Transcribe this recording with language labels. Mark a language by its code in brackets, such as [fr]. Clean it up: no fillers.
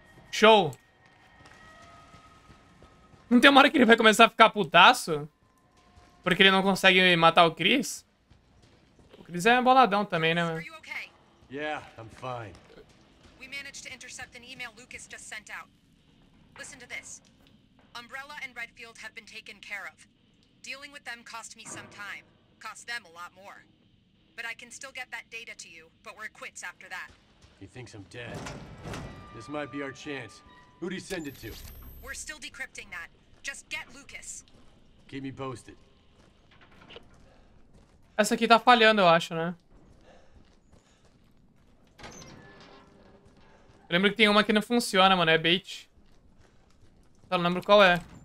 [pt] Show. Não tem uma hora que ele vai começar a ficar putaço? Porque ele não consegue matar o Chris? O Chris é boladão também, né, mano? [en] Yeah, I'm fine. We managed to intercept an email Lucas just sent out. Listen to this. Umbrella and Redfield have been taken care of. Dealing with them cost me some time. Cost them a lot more. But I can still get that data to you, but we're quits after that. He thinks I'm dead. This might be our chance. Who'd he send it to? We're still decrypting that, Just get Lucas. Keep me posted. [pt] Essa aqui tá falhando, eu acho, né? Eu lembro que tem uma que não funciona, mano. É bait. Só não lembro qual é.